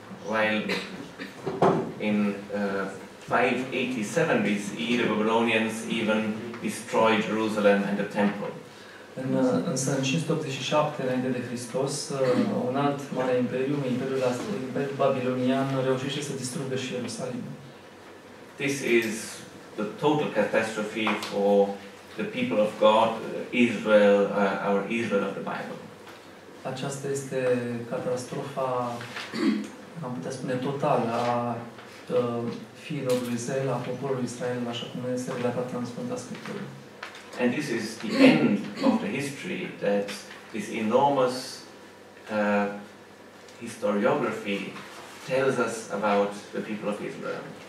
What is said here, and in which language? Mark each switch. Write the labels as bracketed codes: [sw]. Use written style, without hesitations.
[en] While in 587 BCE, the Babylonians even destroyed Jerusalem and the temple. [ro] Însă în 587 înainte de Hristos, un alt mare imperiu, imperiul babilonian, reușește să distrugă și Ierusalim. [en] This is the total catastrophe for the people of God, Israel, our Israel of the Bible. [ro] Aceasta este catastrofa, am putea spune, total a fiilor lui Israel, a poporului Israel, așa cum este relatat în Sfânta Scriptură. [en] And this is the end of the history, that this enormous historiography tells us about the people of Israel.